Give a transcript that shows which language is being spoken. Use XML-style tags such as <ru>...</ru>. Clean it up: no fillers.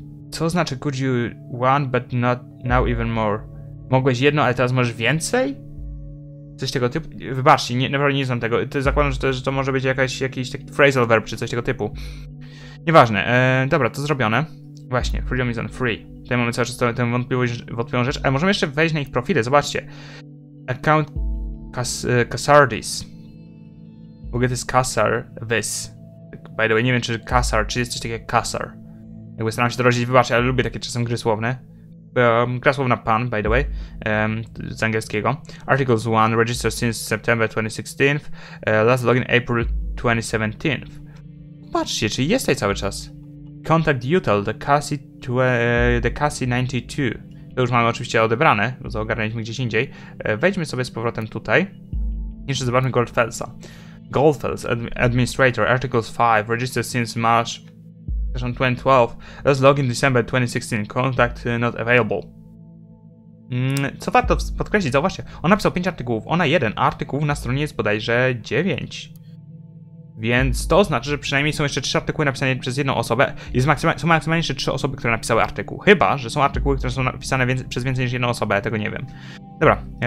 <pl>Co znaczy</pl> <en>could you want, but not now even more?</en> <pl>Mogłeś jedno, ale teraz możesz więcej? Coś tego typu? Wybaczcie, naprawdę nie znam tego. Zakładam, że to może być jakiś taki phrasal verb, czy coś tego typu. Nieważne. Dobra, to zrobione. Właśnie,</pl> <en>freedom is on free.</en> <pl>Tutaj mamy cały czas tę wątpliwą rzecz. Ale możemy jeszcze wejść na ich profile, zobaczcie.</pl> <en>Account Casardis. We'll get this Casar this. By the way,</en> <pl>nie wiem, czy Casar, czy jest coś takiego jak Casar. Jakby staram się to rozdzielić, wybaczcie, ale lubię takie czasem gry słowne. Gra słowna pan,</pl> <en>by the way,</en> <pl>z angielskiego.</pl> <en>Articles 1, registered since September 2016, last login April 2017.</en> <pl>Patrzcie, czy jest tutaj cały czas.</pl> <en>Contact Utel, the Cassie 92.</en> <pl>To już mamy oczywiście odebrane, bo to ogarnęliśmy gdzieś indziej. Wejdźmy sobie z powrotem tutaj. Jeszcze zobaczmy Goldfelsa.</pl> <en>Goldfels, administrator, articles 5, registered since March 2012. Let's log in December 2016. Contact not available.</en> <pl>Co warto podkreślić, zauważcie. On napisał 5 artykułów, ona 1. Artykułów na stronie jest bodajże 9. Więc to oznacza, że przynajmniej są jeszcze 3 artykuły napisane przez jedną osobę. Są maksymalnie jeszcze 3 osoby, które napisały artykuł. Chyba, że są artykuły, które są napisane przez więcej niż jedną osobę. Ja tego nie wiem. Dobra.</pl>